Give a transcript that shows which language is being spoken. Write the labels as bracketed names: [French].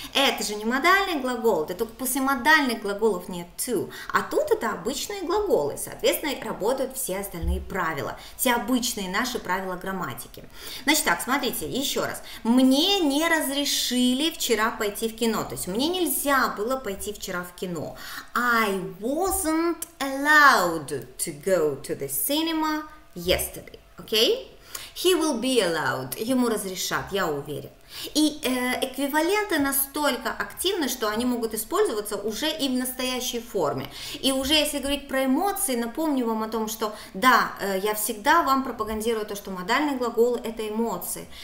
[Russian] Это же не модальный глагол, это только после модальных глаголов нет to. А тут это обычные глаголы, соответственно, работают все остальные правила, все обычные наши правила грамматики. Значит так, смотрите, еще раз. Мне не разрешили вчера пойти в кино, то есть мне нельзя было пойти вчера в кино. [English] I wasn't allowed to go to the cinema yesterday, okay? He will be allowed, [Russian] ему разрешат, я уверен. И эквиваленты настолько активны, что они могут использоваться уже и в настоящей форме. И уже если говорить про эмоции, напомню вам о том, что да, я всегда вам пропагандирую то, что модальный глагол – это эмоции.